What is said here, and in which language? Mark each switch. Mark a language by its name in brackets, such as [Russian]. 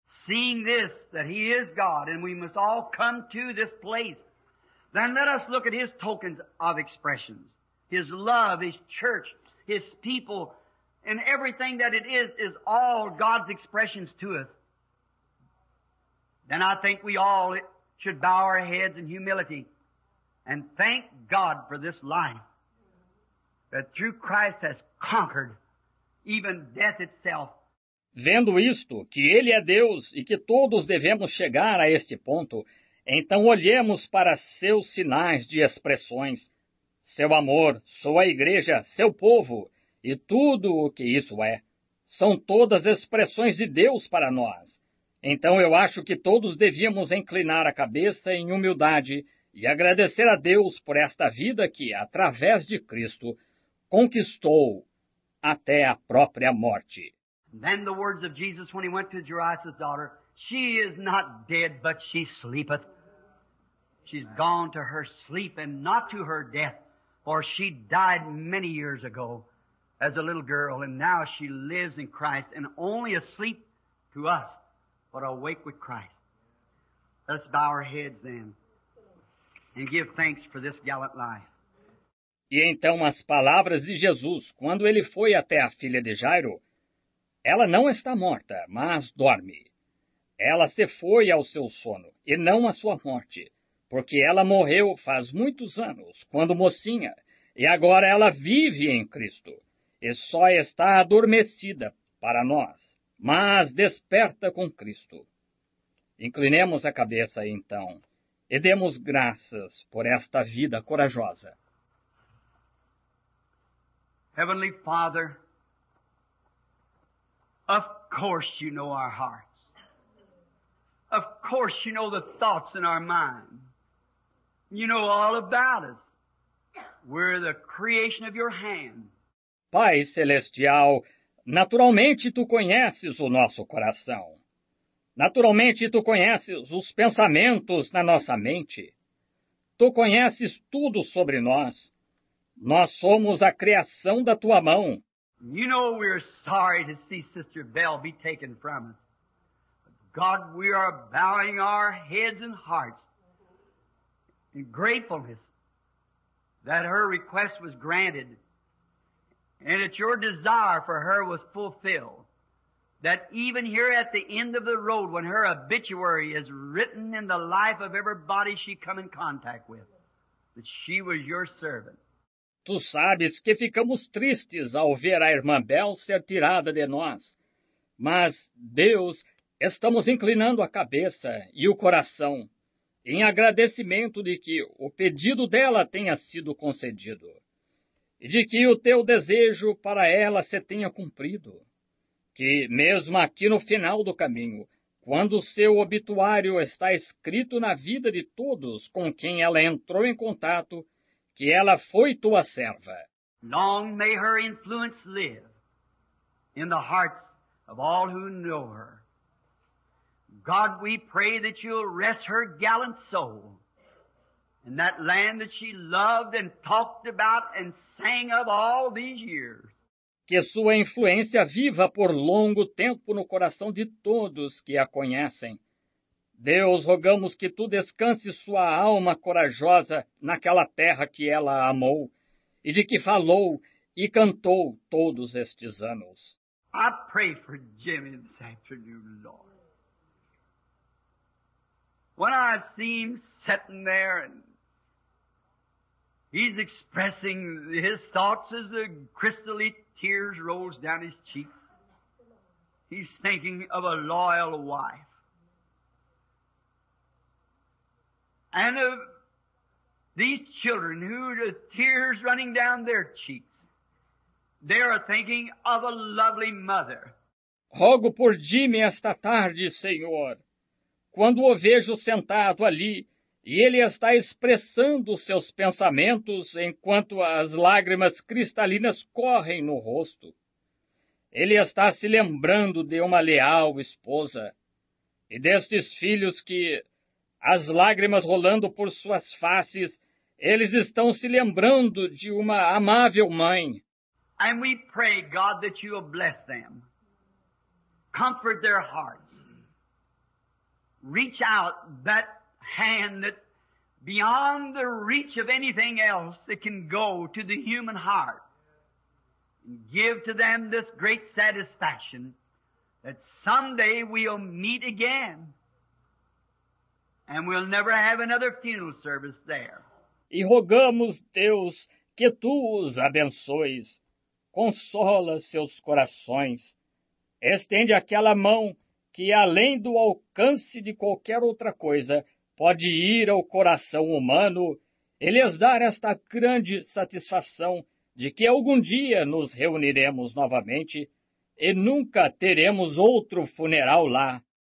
[English] Seeing this, that He is God, and we must all come to this place, then let us look at His tokens of expressions, His love, His church, His people, and everything that it is all God's expressions to us. Then I think we all should bow our heads in humility and thank God for this life that through Christ has conquered even death itself. [Portuguese] Vendo isto, que Ele é Deus e que todos devemos chegar a este ponto, então olhemos para seus sinais de expressões, seu amor, sua igreja, seu povo e tudo o que isso é. São todas expressões de Deus para nós. Então eu acho que todos devíamos inclinar a cabeça em humildade e agradecer a Deus por esta vida que, através de Cristo, conquistou até a própria morte. [English] Then the words of Jesus when he went to Jairus' daughter, she is not dead, but she sleepeth. She's gone to her sleep and not to her death, for she died many years ago as a little girl, and now she lives in Christ and only asleep to us, but awake with Christ. Let's bow our heads then and give thanks for this gallant life. [Portuguese] E então as palavras de Jesus, quando ele foi até a filha de Jairo, ela não está morta, mas dorme. Ela se foi ao seu sono, e não à sua morte, porque ela morreu faz muitos anos, quando mocinha, e agora ela vive em Cristo, e só está adormecida para nós, mas desperta com Cristo. Inclinemos a cabeça, então, e demos graças por esta vida corajosa. [English] Heavenly Father, of course you know our hearts. Of course you know the thoughts in our mind. You know all about us. We're the creation of your hand. [Portuguese] Pai Celestial, naturalmente tu conheces o nosso coração. Naturalmente tu conheces os pensamentos na nossa mente. Tu conheces tudo sobre nós. Nós somos a criação da tua mão. [English] You know we're sorry to see Sister Belle be taken from us. God, we are bowing our heads and hearts in gratefulness that her request was granted and that your desire for her was fulfilled. That even here at the end of the road, when her obituary is written in the life of everybody she come in contact with, that she was your servant. [Portuguese] Tu sabes que ficamos tristes ao ver a irmã Belle ser tirada de nós. Mas, Deus, estamos inclinando a cabeça e o coração em agradecimento de que o pedido dela tenha sido concedido e de que o teu desejo para ela se tenha cumprido. Que, mesmo aqui no final do caminho, quando o seu obituário está escrito na vida de todos com quem ela entrou em contato, que ela foi tua serva. [English] Long may her influence live in the hearts of all who know her. God, we pray that you'll rest her gallant soul in that land that she loved and talked about and sang of all these years. [Portuguese] Que sua influência viva por longo tempo no coração de todos que a conhecem. Deus, rogamos que tu descanses sua alma corajosa naquela terra que ela amou e de que falou e cantou todos estes anos. [English] I pray for Jimmy this afternoon, Lord. When I see him sitting there and he's expressing his thoughts as the crystally tears rolls down his cheeks, he's thinking of a loyal wife and of these children who the tears running down their cheeks, they are thinking of a lovely mother. [Portuguese] Rogo por Jimmy esta tarde, Senhor. Quando o vejo sentado ali e ele está expressando seus pensamentos enquanto as lágrimas cristalinas correm no rosto, ele está se lembrando de uma leal esposa e destes filhos que, as lágrimas rolando por suas faces, eles estão se lembrando de uma amável mãe. [English] And we pray, God, that you will bless them. Comfort their hearts. Reach out that hand that beyond the reach of anything else that can go to the human heart. Give to them this great satisfaction that someday we'll meet again and we'll never have another funeral service there. [Portuguese] E rogamos, Deus, que tu os abençoes. Consola seus corações. Estende aquela mão que, além do alcance de qualquer outra coisa, pode ir ao coração humano e lhes dar esta grande satisfação de que algum dia nos reuniremos novamente e nunca teremos outro funeral lá.